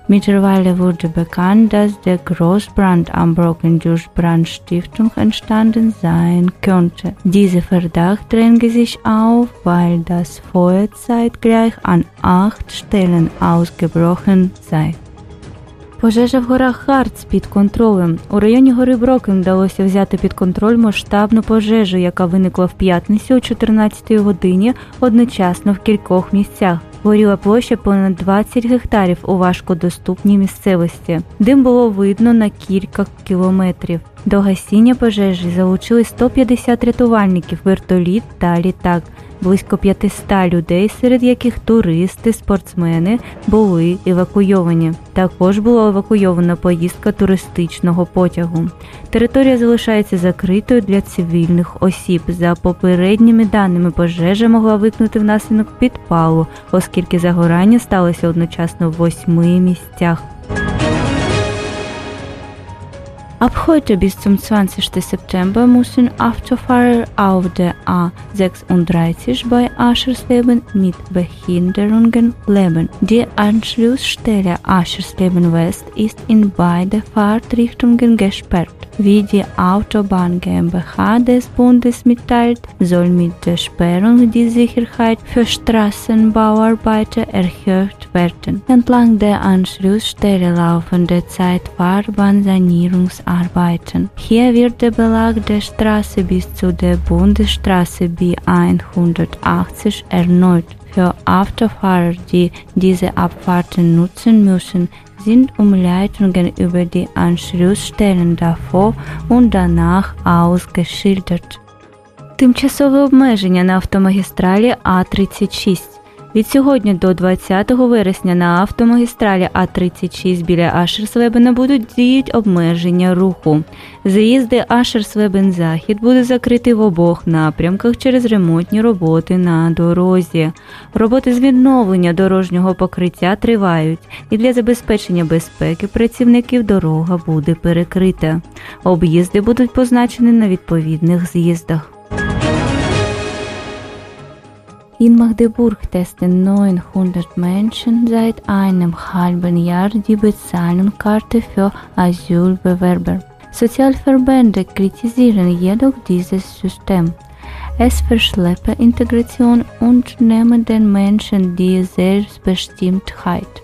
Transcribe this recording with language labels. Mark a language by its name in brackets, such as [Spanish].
[German] Mittlerweile wurde bekannt, dass der Großbrand am Brocken durch Brandstiftung entstanden sein könnte. Dieser Verdacht drängt sich auf, weil das Feuer zeitgleich an 8 Stellen ausgebrochen sei. [Ukrainian] Пожежа в горах Харц під контролем. У районі гори Брокен вдалося взяти під контроль масштабну пожежу, яка виникла в п'ятницю о 14-й годині одночасно в кількох місцях. Горіла площа понад 20 гектарів у важкодоступній місцевості. Дим було видно на кілька кілометрів. До гасіння пожежі залучили 150 рятувальників, вертоліт та літак. Близько 500 людей, серед яких туристи, спортсмени, були евакуйовані. Також була евакуйована поїздка туристичного потягу. Територія залишається закритою для цивільних осіб. За попередніми даними, пожежа могла виникнути внаслідок підпалу, оскільки загорання сталося одночасно в 8 місцях. [German] Ab heute bis zum 20. September müssen Autofahrer auf der A36 bei Aschersleben mit Behinderungen leben. Die Anschlussstelle Aschersleben West ist in beide Fahrtrichtungen gesperrt. Wie die Autobahn GmbH des Bundes mitteilt, soll mit der Sperrung die Sicherheit für Straßenbauarbeiter erhöht werden. Entlang der Anschlussstelle laufen derzeit Fahrbahnsanierungsarbeiten. Hier wird der Belag der Straße bis zu der Bundesstraße B180 erneut. Für Autofahrer, die diese Abfahrten nutzen müssen, sind Umleitungen über die Anschlussstellen davor und danach ausgeschildert. [Ukrainian] Тимчасове обмеження на автомагістралі А36. Від сьогодні до 20 вересня на автомагістралі А36 біля Ашерсвебена будуть діяти обмеження руху. Заїзди Ашерсвебен-Захід буде закрити в обох напрямках через ремонтні роботи на дорозі. Роботи з відновлення дорожнього покриття тривають, і для забезпечення безпеки працівників дорога буде перекрита. Об'їзди будуть позначені на відповідних з'їздах. [German] In Magdeburg testen 900 Menschen seit einem halben Jahr die Bezahlkarte für Asylbewerber. Sozialverbände kritisieren jedoch dieses System. Es verschleppe Integration und nehme den Menschen die Selbstbestimmtheit.